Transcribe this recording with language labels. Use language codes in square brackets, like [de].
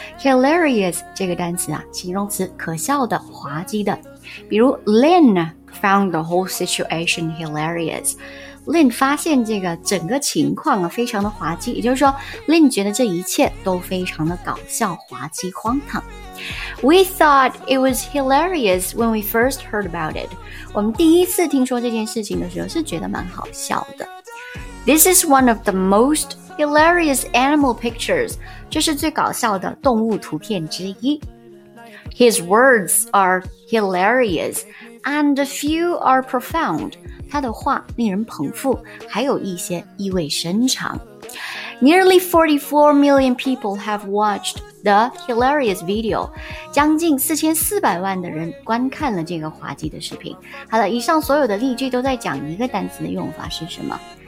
[zh] Hilarious 这个单词啊，形容词，可笑的、滑稽的。 [en] 比如 Lynn found the whole situation hilarious。 [zh] Lynn 发现这个整个情况啊，非常的滑稽，也就是说 Lynn 觉得这一切都非常的搞笑、滑稽、荒唐。 [en] We thought it was hilarious when we first heard about it. [zh] 我们第一次听说这件事情的时候是觉得蛮好笑的。 [en] This is one of the most hilarious animal pictures. [zh] 这是最搞笑的动物图片之一。 [en] His words are hilarious and a few are profound. [zh] 他的话令人捧腹，还有一些意味深长。 [en] Nearly 44 million people have watched the hilarious video. [zh] 将近4400万的人观看了这个滑稽的视频。好了，以上所有的例句都在讲一个单词的用法是什么。